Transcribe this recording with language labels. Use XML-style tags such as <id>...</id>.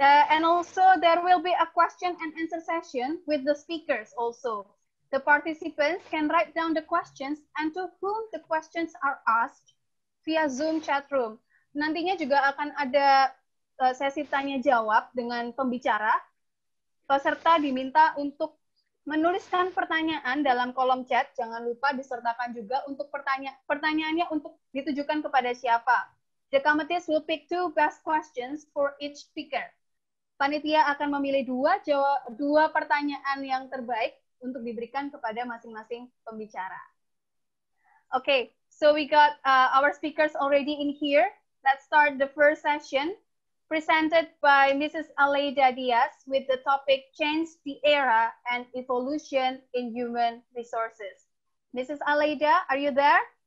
<en>And also there will be a question and answer session with the speakers also. The participants can write down the questions and to whom the questions are asked via Zoom chat room.</en> <id>Nantinya juga akan ada sesi tanya-jawab dengan pembicara. Peserta diminta untuk menuliskan pertanyaan dalam kolom chat. Jangan lupa disertakan juga untuk pertanyaannya untuk ditujukan kepada siapa.</id> <en>The committee will pick two best questions for each speaker.</en> <id>Panitia akan memilih dua pertanyaan yang terbaik untuk diberikan kepada masing-masing pembicara.</id> <en>Okay, so we got our speakers already in here. Let's start the first session presented by Mrs. Aleida Diaz with the topic Change the Era and Evolution in Human Resources. Mrs. Aleida, are you there?</en>